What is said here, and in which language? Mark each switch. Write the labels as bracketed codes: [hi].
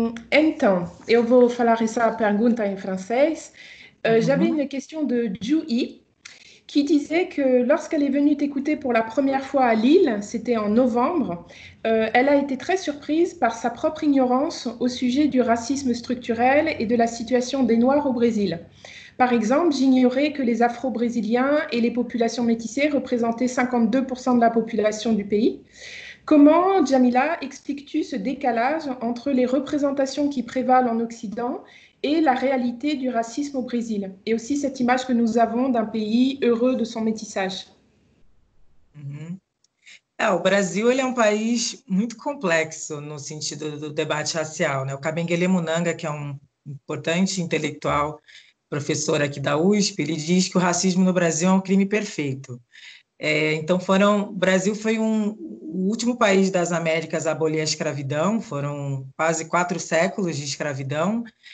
[pt] Então, eu vou falar essa pergunta em francês. [fr] J'avais une question de Juhi qui disait que lorsqu'elle est venue t'écouter pour la première fois à Lille, c'était en novembre, elle a été très surprise par sa propre ignorance au sujet du racisme structurel et de la situation des Noirs au Brésil. Par exemple, j'ignorais que les Afro-Brésiliens et les populations métissées représentaient 52% de la population du pays. Comment, Jamila, expliques-tu ce décalage entre les représentations qui prévalent en Occident et la réalité du racisme au Brésil, et aussi cette image que nous avons d'un pays heureux de son métissage? [pt] O Brasil, ele é um país muito complexo no sentido do debate racial, né? O Kabenguele Munanga, que é um importante intelectual, professor aqui da USP, ele diz que o racismo no Brasil é um crime perfeito. Então o Brasil foi o último país das Américas a abolir a escravidão, foram quase 4 séculos de escravidão.